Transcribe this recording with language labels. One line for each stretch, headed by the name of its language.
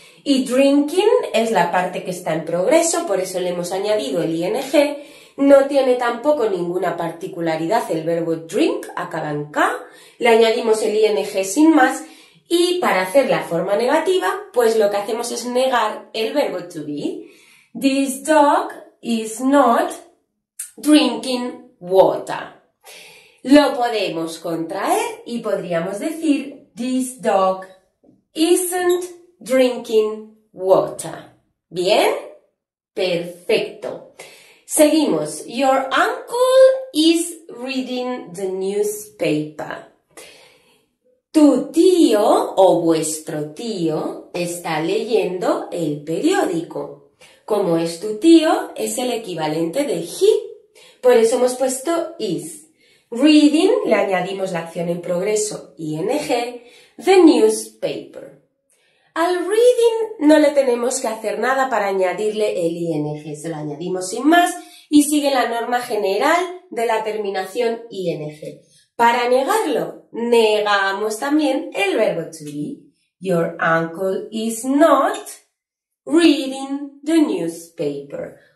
Spanish: Y drinking es la parte que está en progreso, por eso le hemos añadido el ing. No tiene tampoco ninguna particularidad el verbo drink, acaba en k. Le añadimos el ing sin más. Y para hacer la forma negativa, pues lo que hacemos es negar el verbo to be.
English: This dog is not drinking water.
Spanish: Lo podemos contraer y podríamos decir
English: this dog isn't drinking water.
Spanish: ¿Bien? Perfecto. Seguimos.
English: Your uncle is reading the newspaper.
Spanish: Tu tío o vuestro tío está leyendo el periódico. Como es tu tío, es el equivalente de he. Por eso hemos puesto is. Reading, le añadimos la acción en progreso, ing,
English: the newspaper.
Spanish: Al reading no le tenemos que hacer nada para añadirle el ing, se lo añadimos sin más y sigue la norma general de la terminación ing. Para negarlo, negamos también el verbo to be.
English: Your uncle is not reading the newspaper.